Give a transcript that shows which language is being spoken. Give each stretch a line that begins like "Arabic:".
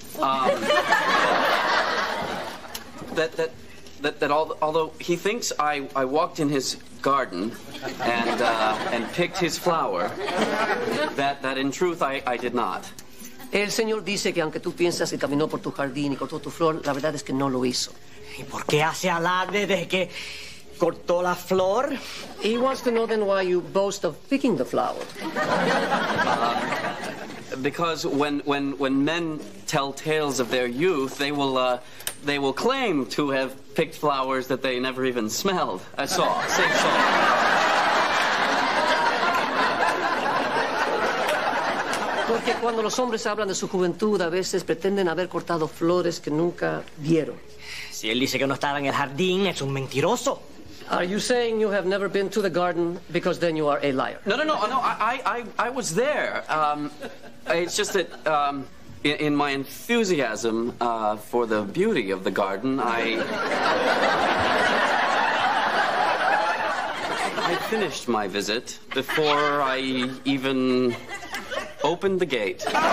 English: Although he thinks I walked in his garden and picked his flower, that in truth I did not.
Spanish: El señor dice que aunque tú piensas que caminó por tu jardín y cortó tu flor, la verdad es que no lo hizo. ¿Y por qué hace alarde de que cortó la flor?
English: He wants to know then why you boast of picking the flower. Because when men tell tales of their youth, they will claim to have picked flowers that they never even smelled. I saw.
Spanish: que cuando los hombres hablan de su juventud, a veces pretenden haber cortado flores que nunca vieron. Si él dice que no estaba en el jardín, es un mentiroso.
English: Are you saying you have never been to the garden? Because then you are a liar. No. I was there. It's just that in my enthusiasm for the beauty of the garden, I finished my visit before I even opened the gate.